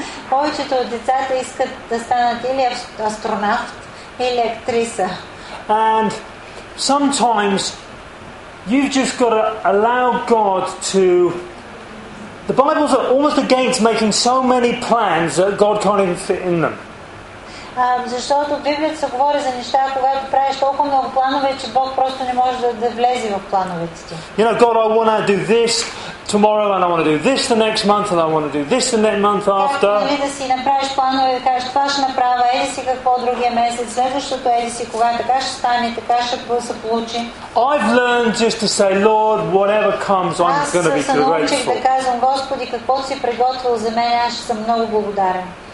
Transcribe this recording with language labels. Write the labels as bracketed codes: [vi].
[bg] Повечето от децата искат да станат или астронавт, или актриса. [en] And sometimes you've just got to allow God to... The Bible's almost against making so many plans that God can't even fit in them. [bg] Защото в Библията се говори за неща, когато правиш толкова много планове, че Бог просто не може да влезе в плановете ти. [en] You know, God, I want to do this tomorrow, and I want to do this the next month, and I want to do this the next month after. [bg] Как да си направиш планове, да кажеш, това ще направя, еди си какво другия месец, следващото еди си кога, така ще стане, така ще се получи. [en] I've learned just to say, Lord, whatever comes, I'm going to be grateful. [bg] Аз се научих да казвам, Господи, какво си приготвил за мен, аз ще съм много благодарен.